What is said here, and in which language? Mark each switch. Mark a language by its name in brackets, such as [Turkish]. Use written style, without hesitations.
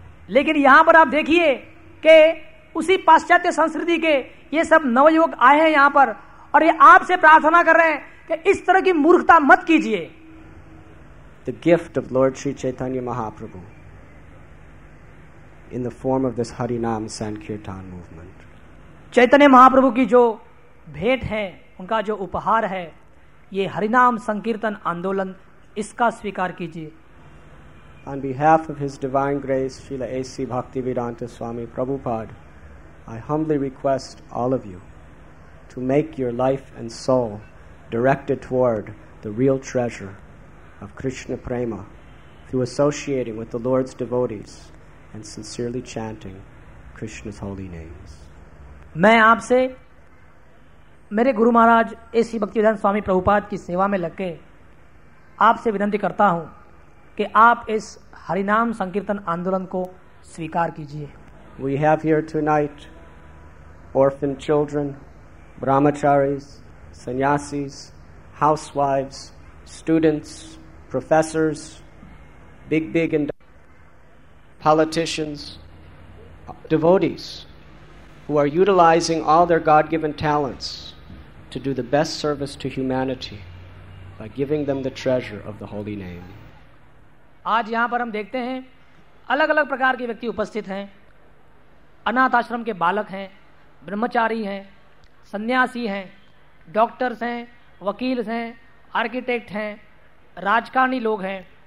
[Hindi] लेकिन यहाँ पर आप देखिए कि उसी पाश्चात्य संस्कृति के ये सब नवयुवक आए हैं यहाँ पर, और ये आपसे प्रार्थना कर रहे हैं कि इस तरह की मूर्खता मत कीजिए. [English] The gift of Lord Sri Chaitanya Mahaprabhu in the form of this Harinam Sankirtan movement. [Hindi] Chaitanya Mahaprabhu की जो भेंट है, उनका जो उपहार है, ये हरिनाम संकीर्तन आंदोलन, इसका स्वीकार कीजिए. [English] On behalf of His Divine Grace Srila A.C. Bhaktivedanta Swami Prabhupada, I humbly request all of you to to make your life and soul directed toward the real treasure of Krishna Prema through associating with the Lord's devotees and sincerely chanting Krishna's holy names. [Hindi] मैं आपसे मेरे Guru Maharaj AC Bhaktivedanta स्वामी प्रभुपाद की सेवा में लग के आपसे विनती करता हूँ कि आप इस हरिनाम संकीर्तन आंदोलन को स्वीकार कीजिए. [English] We have here tonight orphan children, brahmacharis, sannyasis, housewives, students, professors, big and politicians, devotees, who are utilizing all their God-given talents to do the best service to humanity by giving them the treasure of the holy name. [Hindi] आज यहाँ पर हम देखते हैं अलग-अलग प्रकार के व्यक्ति उपस्थित हैं. अनाथ आश्रम के बालक हैं, ब्रह्मचारी हैं, सन्यासी हैं, डॉक्टर्स हैं, वकील हैं, आर्किटेक्ट हैं, राजकारणी लोग हैं.